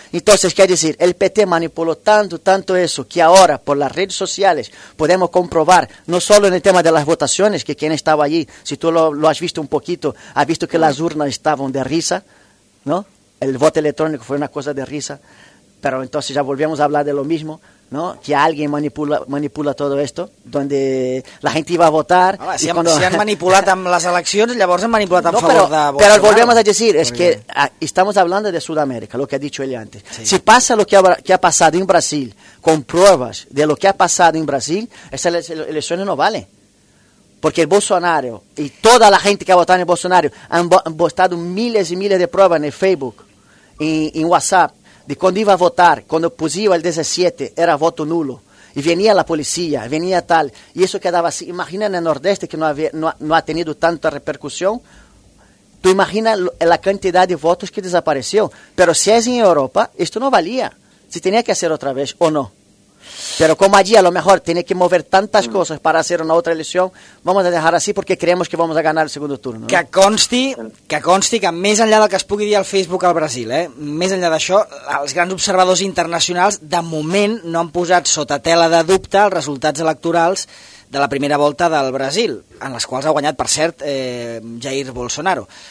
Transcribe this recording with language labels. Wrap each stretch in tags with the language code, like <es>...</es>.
<es>Entonces, quiere decir, el PT manipuló tanto eso que ahora por las redes sociales podemos comprobar, no solo en el tema de las votaciones, que quien estaba allí, si tú lo has visto un poquito, has visto que las urnas estaban de risa, ¿no? El voto electrónico fue una cosa de risa, pero entonces ya volvemos a hablar de lo mismo, ¿no? Que alguien manipula todo esto, donde la gente iba a votar. Ahora, si</es> <ca>han manipulat amb les eleccions, llavors han manipulat a favor de Bolsonaro.</ca> <es>Pero volvemos a decir, estamos hablando de Sudamérica, lo que ha dicho él antes. Sí. Si pasa lo que ha pasado en Brasil, con pruebas de lo que ha pasado en Brasil, esas elecciones no valen. Porque el Bolsonaro y toda la gente que ha votado en Bolsonaro han votado miles y miles de pruebas en Facebook, en WhatsApp, de cuando iba a votar, cuando pusía el 17, era voto nulo. Y venía la policía, venía tal. Y eso quedaba así. Imagina en el Nordeste que no ha tenido tanta repercusión. Tú imagina la cantidad de votos que desapareció. Pero si es en Europa, esto no valía. Si tenía que hacer otra vez o no. Pero como allí a lo mejor tiene que mover tantas cosas para hacer una otra elección, vamos a dejar así porque creemos que vamos a ganar el segundo turno.</es> <ca>Que consti, que més enllà del que es pugui dir al Facebook al Brasil, més enllà d'això, els grans observadors internacionals de moment no han posat sota tela de dubte els resultats electorals de la primera volta del Brasil, en les quals ha guanyat, per cert, Jair Bolsonaro.</ca>